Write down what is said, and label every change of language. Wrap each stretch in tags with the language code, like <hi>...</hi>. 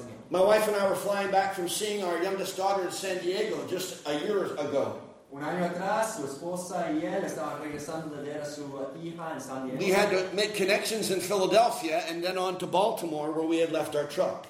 <en>My wife and I were flying back from seeing our youngest daughter in San Diego just a year ago.</en> <es>Un año atrás, su esposa y él estaban regresando de ver a su hija en San Diego.</es> <en>We had to make connections in Philadelphia and then on to Baltimore, where we had left our truck.</en>